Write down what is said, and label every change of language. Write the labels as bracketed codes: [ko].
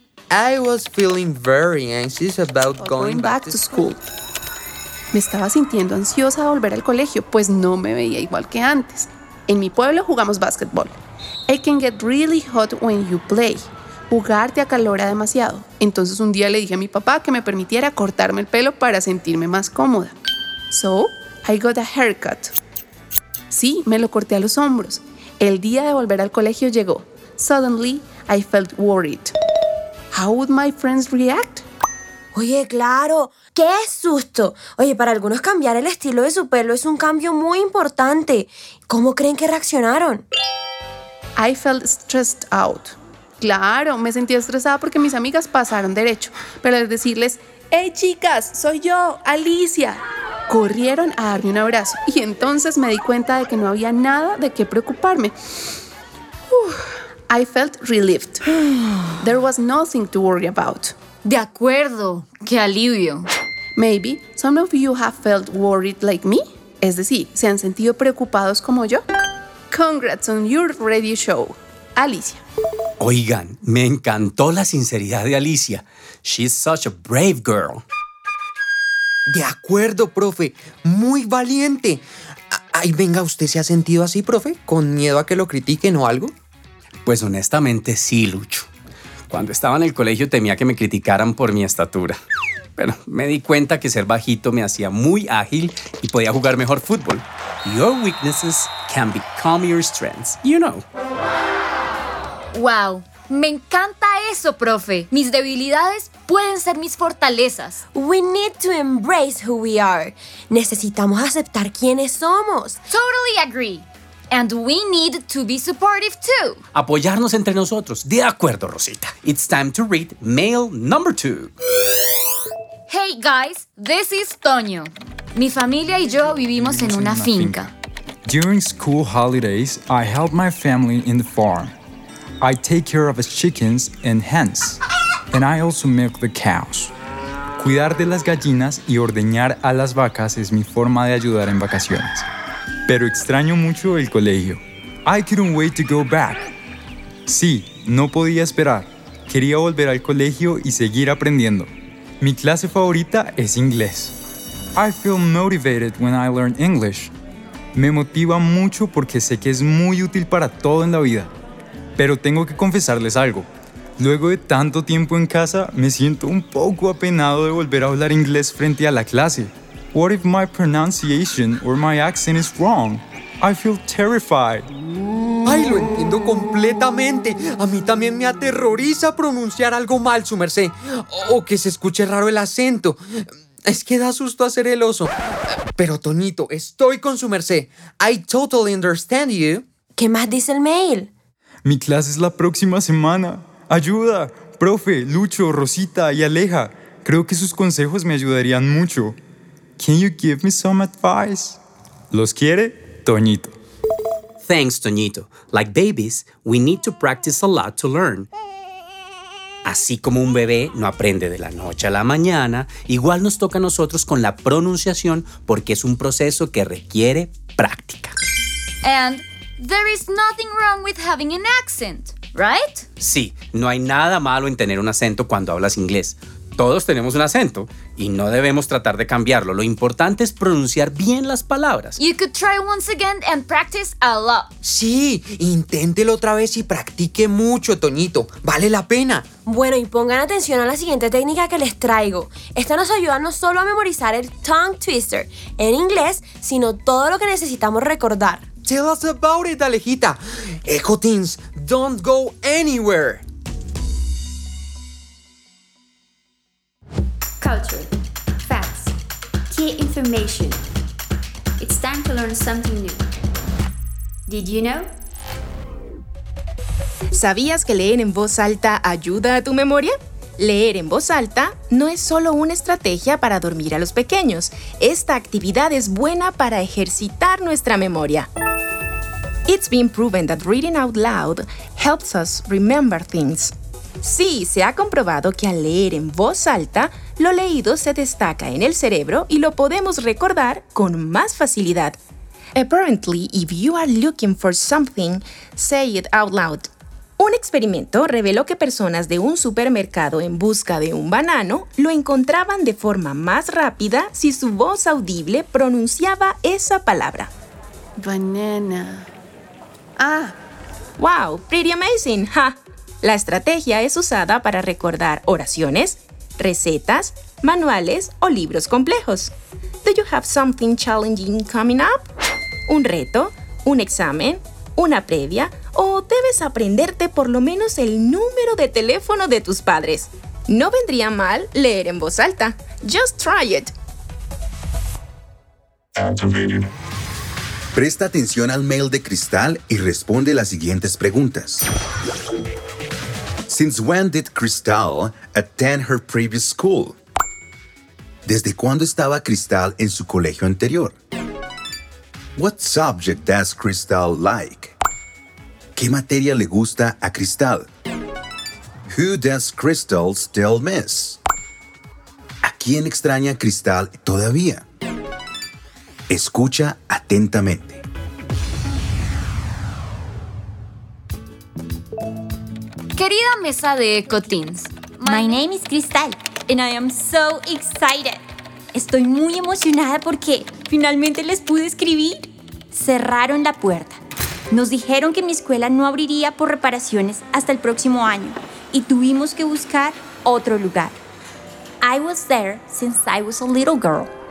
[en] I was feeling very anxious about going back to school. [es] Me estaba sintiendo ansiosa de volver al colegio, pues no me veía igual que antes. En mi pueblo jugamos básquetbol. [en] It can get really hot when you play. [es] Jugar te acalora demasiado. Entonces un día le dije a mi papá que me permitiera cortarme el pelo para sentirme más cómoda. [en] So, I got a haircut. [es] Sí, me lo corté a los hombros. El día de volver al colegio llegó. [en] Suddenly, I felt worried. How would my friends react? [es] Oye, claro. ¡Qué susto! Oye, para algunos cambiar el estilo de su pelo es un cambio muy importante. ¿Cómo creen que reaccionaron? [en] I felt stressed out. [es] Claro, me sentí estresada porque mis amigas pasaron derecho. Pero al decirles, ¡hey, chicas! ¡Soy yo, Alicia! Corrieron a darme un abrazo y entonces me di cuenta de que no había nada de qué preocuparme. [en] I felt relieved. There was nothing to worry about. [es] De acuerdo, qué alivio. [en] Maybe some of you have felt worried like me. [es] Es decir, ¿se han sentido preocupados como yo? [en] Congrats on your radio show, Alicia. [es] Oigan, me encantó la sinceridad de Alicia. [en] She's such a brave girl. [es] De acuerdo, profe. Muy valiente. Ay, venga, ¿usted se ha sentido así, profe? ¿Con miedo a que lo critiquen o algo? Pues honestamente sí, Lucho. Cuando estaba en el colegio temía que me criticaran por mi estatura. Pero me di cuenta que ser bajito me hacía muy ágil y podía jugar mejor fútbol. [en] Your weaknesses can become your strengths, you know. [es] Wow, me encanta eso, profe. Mis debilidades pueden ser mis fortalezas. [en] We need to embrace who we are. [es] Necesitamos aceptar quiénes somos. [en] Totally agree. And we need to be supportive too. [es] Apoyarnos entre nosotros. De acuerdo, Rosita. [en] It's time to read mail number two. Hey guys, this is Toño. [es] Mi familia y yo vivimos en una finca. [en] During school holidays, I help my family in the farm. I take care of the chickens and hens. And I also milk the cows. [es] Cuidar de las gallinas y ordeñar a las vacas es mi forma de ayudar en vacaciones. Pero extraño mucho el colegio. [en] I couldn't wait to go back. [es] Sí, no podía esperar. Quería volver al colegio y seguir aprendiendo. Mi clase favorita es inglés. [en] I feel motivated when I learn English. [es] Me motiva mucho porque sé que es muy útil para todo en la vida. Pero tengo que confesarles algo. Luego de tanto tiempo en casa, me siento un poco apenado de volver a hablar inglés frente a la clase. [en] What if my pronunciation or my accent is wrong? I feel terrified. [es] Ay, lo entiendo completamente. A mí también me aterroriza pronunciar algo mal, su merced. O que se escuche raro el acento. Es que da susto hacer el oso. Pero, Toñito, estoy con su merced. [en] I totally understand you. [es] ¿Qué más dice el mail? Mi clase es la próxima semana. Ayuda, profe, Lucho, Rosita y Aleja. Creo que sus consejos me ayudarían mucho. [en] Can you give me some advice? [es] Los quiere, Toñito. [en] Thanks, Toñito. Like babies, we need to practice a lot to learn. [es] Así como un bebé no aprende de la noche a la mañana, igual nos toca a nosotros con la pronunciación porque es un proceso que requiere práctica. [en] And there is nothing wrong with having an accent, right? [es] Sí, no hay nada malo en tener un acento cuando hablas inglés. Todos tenemos un acento y no debemos tratar de cambiarlo. Lo importante es pronunciar bien las palabras. [en] You could try once again and practice a lot. [es] Sí, inténtelo otra vez y practique mucho, Toñito. Vale la pena. Bueno, y pongan atención a la siguiente técnica que les traigo. Esta nos ayuda no solo a memorizar el tongue twister en inglés, sino todo lo que necesitamos recordar. [en] Tell us about it, Alejita. EcoTeens, don't go anywhere. Culture, facts, key information, time to learn something new. Did you know? [es] ¿Sabías que leer en voz alta ayuda a tu memoria? Leer en voz alta no es solo una estrategia para dormir a los pequeños. Esta actividad es buena para ejercitar nuestra memoria. [en] It's been proven that reading out loud helps us remember things. [es] Sí, se ha comprobado que al leer en voz alta, lo leído se destaca en el cerebro y lo podemos recordar con más facilidad. [en] Apparently, if you are looking for something, say it out loud. [es] Un experimento reveló que personas de un supermercado en busca de un banano lo encontraban de forma más rápida si su voz audible pronunciaba esa palabra. [en] Banana. Ah. Wow, pretty amazing, [es] ¿ha? La estrategia es usada para recordar oraciones, recetas, manuales o libros complejos. [en] Do you have something challenging coming up? [es] ¿Un reto? ¿Un examen? ¿Una previa? ¿O debes aprenderte por lo menos el número de teléfono de tus padres? No vendría mal leer en voz alta. [en] Just try it. [es] Presta atención al mail de Cristal y responde las siguientes preguntas. [en] Since when did Cristal attend her previous school? [es] ¿Desde cuándo estaba Cristal en su colegio anterior? [en] What subject does Cristal like? [es] ¿Qué materia le gusta a Cristal? [en] Who does Cristal still miss? [es] ¿A quién extraña Cristal todavía? Escucha atentamente. Querida mesa de Eco Teens, [en] my name is Cristal, and I am so excited. [es] Estoy muy emocionada porque finalmente les pude escribir. Cerraron la puerta. Nos dijeron que mi escuela no abriría por reparaciones hasta el próximo año y tuvimos que buscar otro lugar. [en] I was there since I was a little girl.